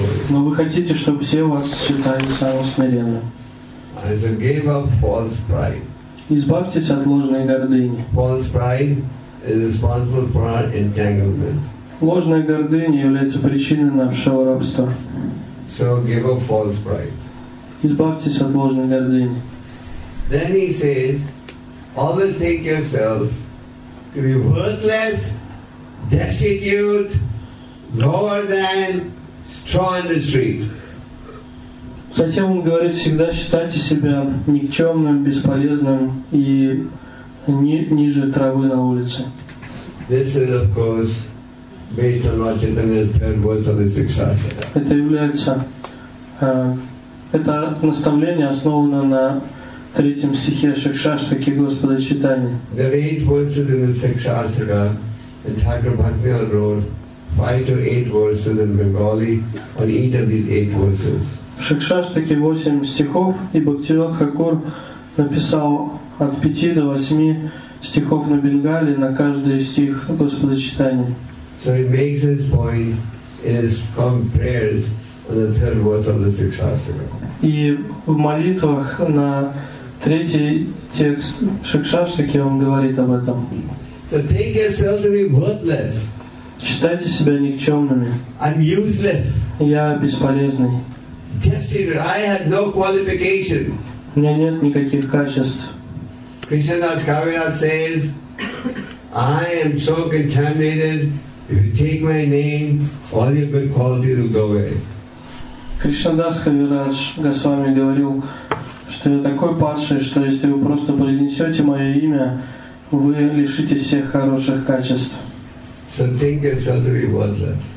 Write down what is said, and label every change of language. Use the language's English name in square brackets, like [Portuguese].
[Russian] Но вы хотите, чтобы все вас считали самым смиренным. [English] I said, give up false pride. [Russian] Избавьтесь от ложной гордыни. [English] False pride is responsible for our entanglement. [Russian] Ложная гордыня является причиной нашего рабства. [English] So give up false pride. [Russian] Избавьтесь от ложной гордыни. [English] Then he says, always think yourself to be worthless, destitute, lower than straw in the street. [Russian] Затем он говорит, всегда считайте себя никчемным, бесполезным и ниже травы на улице. [English] This is, of course, based on Lord Chaitanya's third verse of the Sikshashastra. [Russian] Это является, это наставление основано на третьем стихе Шикшаштаки Господа Чайтаньи. [English] The eight verses in the Sikshashastra, in Thakur Bhaktivinoda wrote, 5 to 8 verses in Bengali on each of these 8 verses. [Russian] В Шикшаштаке 8 стихов, и Бхактивинода Хакур написал от 5 до 8 стихов на бенгали на каждый стих Господа Чайтаньи. [English] So he makes his point in his prayers on the third verse of the Sikshashtaka. [Russian] И в молитвах на третий текст Шикшаштаки он говорит об этом. [English] So take yourself to be worthless. [Russian] Считайте себя никчемными. [English] I'm useless. [Russian] Я бесполезный. [English] Destitute. I have no qualification. [Russian] У меня нет никаких качеств. [English] Krishnadas Kaviraj says, I am so contaminated. If you take my name, all your good qualities will go away. [Russian] Krishnadas Kaviraj Goswami говорил, что я такой падший, что если вы просто произнесете мое имя, вы лишитесь всех хороших качеств. [English] So think yourself to be worthless.